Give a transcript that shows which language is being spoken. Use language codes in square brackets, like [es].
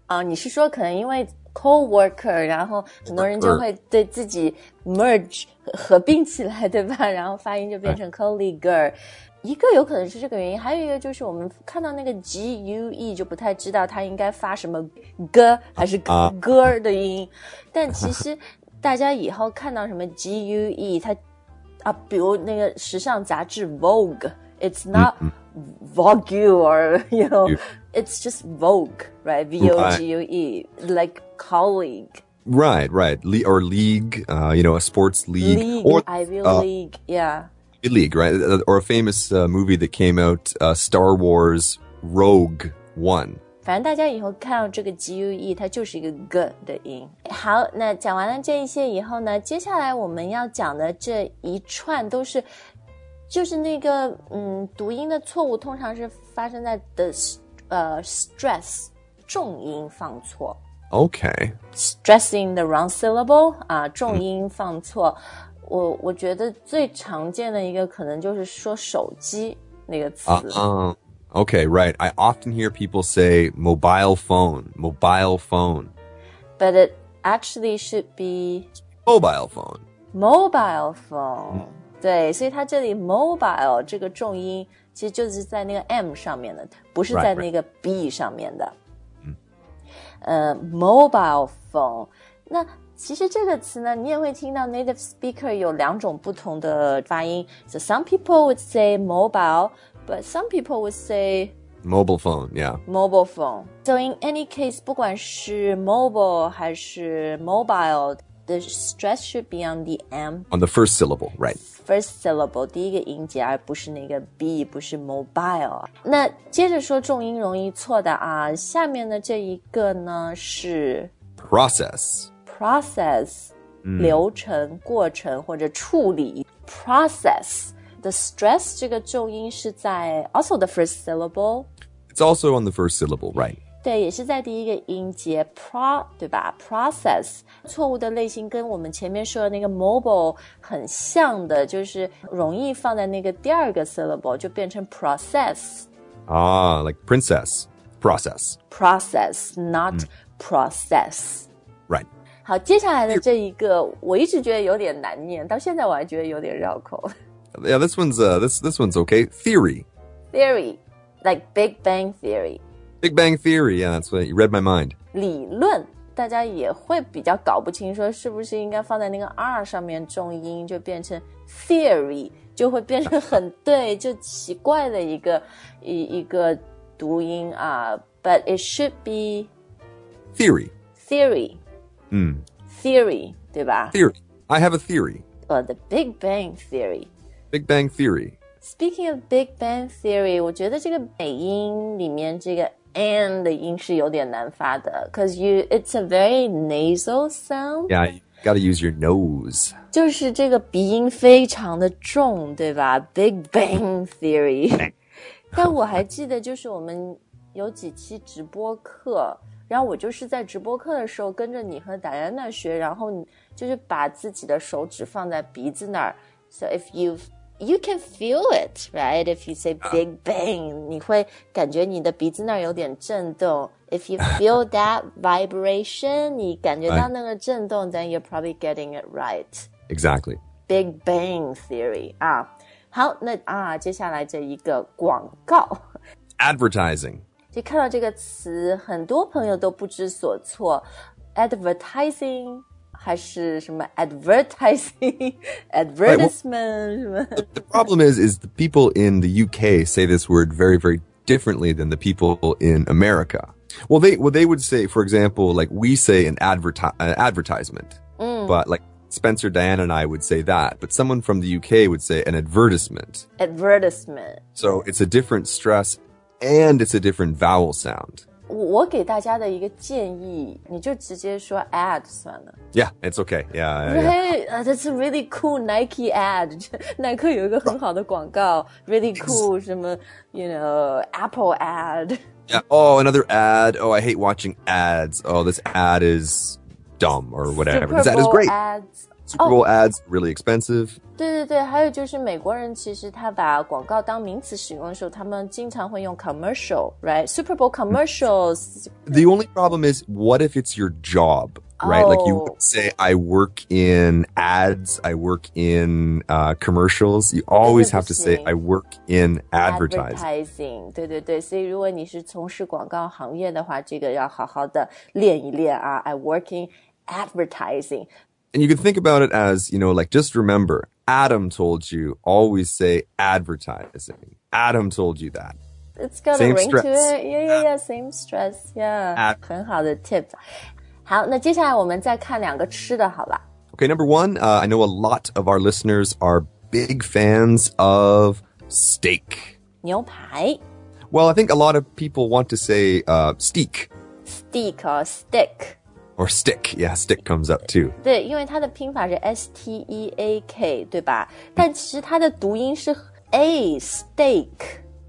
[zh] 你是说可能因为 coworker, 然后很多人就会对自己 merge, 合并起来对吧然后发音就变成 colleaguer. 一个有可能是这个原因还有一个就是我们看到那个 GUE 就不太知道它应该发什么 G 还是 G 的音但其实大家以后看到什么 GUE 它啊，比如那个时尚杂志 Vogue [en] It's not Vogue or you know It's just Vogue right V-O-G-U-E Like colleague Right Or league you know a sports league Or Ivy League Yeah League, right? Or a famous movie that came out, Star Wars Rogue One. [zh] 反正大家以后看到这个 GUE, 它就是一个 G 的音。好，那讲完了这一些以后呢，接下来我们要讲的这一串都是，就是那个读音的错误，通常是发生在 [en] the stress [zh] 重音放错。 [en] Okay. Stressing the wrong syllable, 啊， [zh] 重音放错。我觉得最常见的一个可能就是说手机那个词。 [en] Okay, right. I often hear people say mobile phone, mobile phone. But it actually should be... Mobile phone. Mobile phone. [zh] 对，所以它这里 mobile 这个重音其实就是在那个 M 上面的，不是在那个 B 上面的。 [en] Mobile phone. [zh] 那其实这个词呢，你也会听到 native speaker 有两种不同的发音。 [en] So some people would say mobile, but some people would say... Mobile phone, yeah. Mobile phone. So in any case, [zh] 不管是 [en] mobile 还是 mobile, the stress should be on the M. On the first syllable, right. First syllable, [zh] 第一个音节而不是那个 B, 不是 mobile. 那接着说重音容易错的啊，下面的这一个呢是 [en] Process. Process,、 [zh] 流程、过程或者处理 [en] Process, the stress [zh] 这个重音是在 [en] also the first syllable. It's also on the first syllable, right? [zh] 对，也是在第一个音节 pro, 对吧 Process, 错误的类型跟我们前面说的那个 mobile 很像的，就是容易放在那个第二个 syllable 就变成 process. [en] Ah, like princess, process. Process, not、process. Right. [zh] 好，接下来的这一个我一直觉得有点难念，到现在我还觉得有点绕口。 [en] Yeah, this one's okay. Theory. Theory, like Big Bang Theory. Big Bang Theory, yeah, that's what you read my mind. [zh] 理论，大家也会比较搞不清说是不是应该放在那个 R 上面重音，就变成 theory, 就会变成很对，就奇怪的一个读音啊。 [en] But it should be... Theory. Theory. Theory, [zh] 对吧 [en] Theory. I have a theory. The Big Bang Theory. Big Bang Theory. Speaking of Big Bang Theory, [zh] 我觉得这个美音里面这个 and 的音是有点难发的 [en] because it's a very nasal sound. Yeah, you gotta use your nose. [zh] 就是这个鼻音非常的重对吧 Big Bang Theory. 但我还记得就是我们有几期直播课然后我就是在直播课的时候跟着你和戴安娜学然后你就是把自己的手指放在鼻子那儿 [en] So if you can feel it, right? If you say big bang, [zh] 你会感觉你的鼻子那儿有点震动 [en] If you feel that vibration, [zh] 你感觉到那个震动 [en] then you're probably getting it right. Exactly. Big bang theory. [zh] 啊，好，那啊，接下来这一个广告。 [en] Advertising. [zh] 就看到这个词很多朋友都不知所措 advertising 还是什么 advertising advertisement [en] right, well, the problem is the people in the UK say this word very very differently than the people in America well they would say for example like we say an advertisement、but like Spencer Diane and I would say that but someone from the UK would say an advertisement so it's a different stressAnd it's a different vowel sound. [zh] 我给大家的一个建议，你就直接说 ad 算了。 [en] Yeah, it's okay. Yeah. Hey, that's a really cool Nike ad. [zh] Nike 有一个很好的广告 [en] really cool. [zh] 什么 [en] you know, Apple ad. Yeah. Oh, another ad. Oh, I hate watching ads. Oh, this ad is dumb or whatever. This ad is great. Super Bowl ads, really expensive. [zh] 对对对，还有就是美国人其实他把广告当名词使用的时候，他们经常会用 commercial, right? [en] Super Bowl commercials. The only problem is, what if it's your job, right? Like you say, I work in ads, I work in commercials. You always have to say, I work in advertising. [zh] 对对对，所以如果你是从事广告行业的话，这个要好好的练一练啊。 [en] I work in advertising. And you can think about it as, you know, like, just remember, Adam told you, always say advertising. Adam told you that. It's got same a ring、stress. To it. Yeah, yeah, yeah, same stress. Yeah,、 [zh] 很好的 [en] tip. [zh] 好，那接下来我们再看两个吃的好了。 [en] Okay, number one,、I know a lot of our listeners are big fans of steak. [zh] 牛排。 [en] Well, I think a lot of people want to say、steak. Steak or stick. Or stick, yeah, stick comes up too. [zh] 对，因为它的拼法是 S-T-E-A-K, 对吧？但其实它的读音是 A, steak.